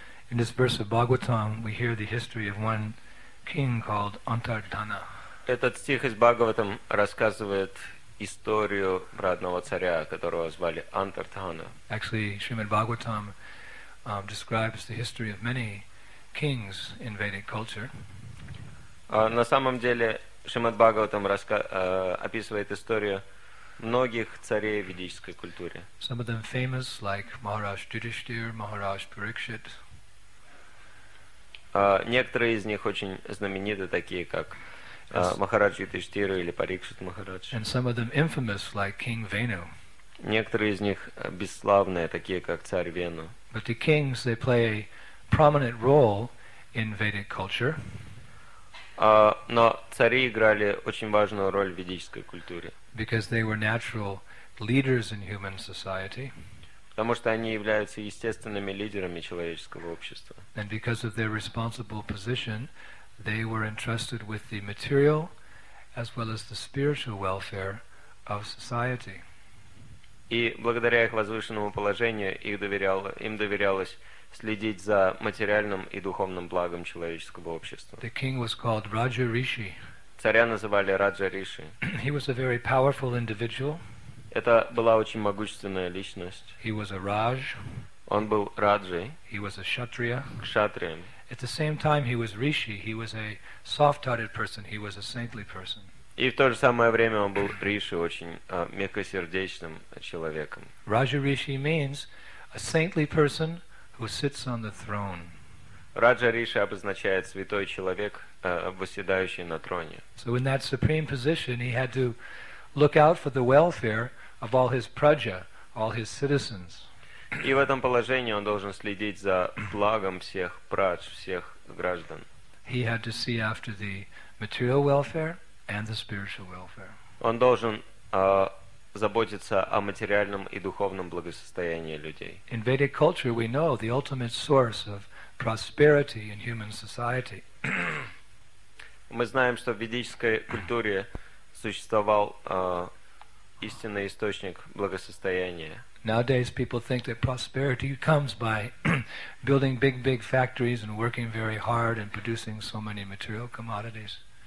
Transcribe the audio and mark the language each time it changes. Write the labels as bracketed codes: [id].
[en] In this verse of Bhagavatam, we hear the history of one king called Antardhana. [ru] Этот стих из Бхагаватам рассказывает историю про одного царя, которого звали Антардхана. [en] Actually, Srimad Bhagavatam describes the history of many kings in Vedic culture. [ru] На самом деле, Шримад Бхагаватам описывает историю многих царей в ведической культуре. [en] Some of them famous, like Maharaj Yudhishthir, Maharaj Parikshit. [ru] Некоторые из них очень знамениты, такие как Махарадж Юдхиштхира или Парикшит Махарадж. [en] And some of them infamous, like King Venu. [ru] Некоторые из них бесславные, такие как царь Вену. [en] But the kings, they play a prominent role in Vedic culture. [ru] Но цари играли очень важную роль в ведической культуре. [en] Because they were natural leaders in human society. [ru] Потому что они являются естественными лидерами человеческого общества. [en] And because of their responsible position, they were entrusted with the material as well as the spiritual welfare of society. [ru] И благодаря их возвышенному положению им доверялось следить за материальным и духовным благом человеческого общества. [en] The king was called Raja Rishi. [ru] Царя называли Раджа Риши. [en] He was a very powerful individual. [ru] Это была очень могущественная личность. [en] He was a Raj. [ru] Он был Раджей. [en] He was a Kshatriya. [ru] Кшатрием. [en] At the same time, he was Rishi. He was a soft-hearted person. He was a saintly person. [ru] И в то же самое время он был Риши, очень мягкосердечным человеком. [en] Raja Rishi means a saintly person who sits on the throne. [ru] Раджа Риши обозначает святой человек, восседающий на троне. [en] So in that supreme position, he had to look out for the welfare of all his praja, all his citizens. [ru] И в этом положении он должен следить за благом всех прадж, всех граждан. [en] He had to see after the material welfare and the spiritual welfare. [ru] Он должен заботиться о материальном и духовном благосостоянии людей. [en] In Vedic culture, we know the ultimate source of prosperity in human society. [ru] Мы знаем, что в ведической культуре существовал истинный источник благосостояния. [en] Nowadays people think that prosperity comes by building big, big factories and working very hard and producing so many material commodities.